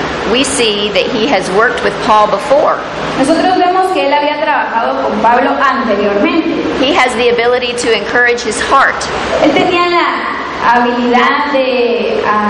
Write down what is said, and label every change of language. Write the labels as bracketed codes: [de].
[en] We see that he has worked with Paul before. [es] Nosotros vemos que él había trabajado con Pablo anteriormente. [en] He has the ability to encourage his heart. [es] Él tenía la habilidad de